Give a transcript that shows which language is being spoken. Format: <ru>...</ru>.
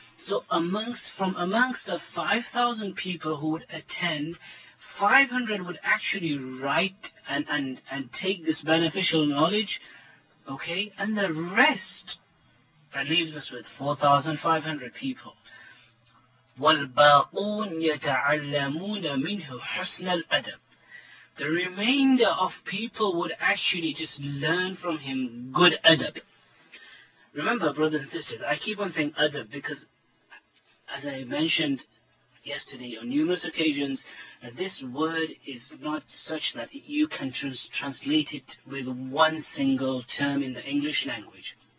<en>So amongst the 5,000 people who would attend, 500 would actually write and take this beneficial knowledge, okay? And the rest, that leaves us with 4,500 people.</en> <ar>والباقون يتعلمون منه حسن الأدب.</ar> <en>The remainder of people would actually just learn from him good adab. Remember, brothers and sisters, I keep on saying adab because, as I mentioned yesterday on numerous occasions, that this word is not such that you can translate it with one single term in the English language.</en>